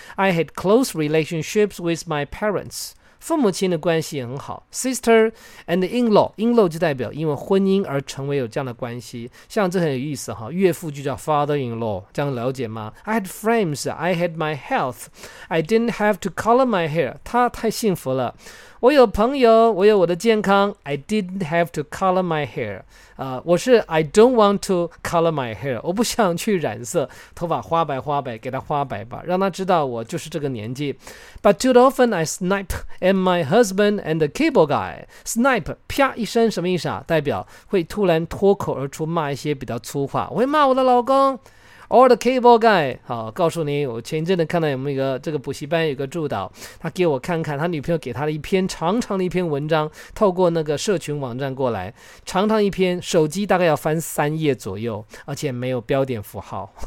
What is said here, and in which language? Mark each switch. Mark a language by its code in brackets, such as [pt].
[en] I had close relationships with my parents. [zh] 父母亲的关系也很好 [en] ，sister and in-law [zh] 就代表因为婚姻而成为有这样的关系，像这很有意思哈，岳父就叫 [en] father-in-law， [zh] 这样了解吗 [en] ？I had friends, I had my health, I didn't have to color my hair， [zh] 他太幸福了。我有朋友，我有我的健康。 [en] I didn't have to color my hair. I don't want to color my hair. [zh] 我不想去染色，头发花白花白，给他花白吧，让他知道我就是这个年纪。 [en] But too often I snipe at my husband and the cable guy. [zh] Snipe, 啪一声什么意思啊？代表会突然脱口而出骂一些比较粗话。我会骂我的老公。 [en] Or the cable guy， [zh] 好，告诉你，我前一阵子看到有没有一个这个补习班有个助导，他给我看看他女朋友给他的一篇长长的一篇文章，透过那个社群网站过来，长长一篇，手机大概要翻三页左右，而且没有标点符号。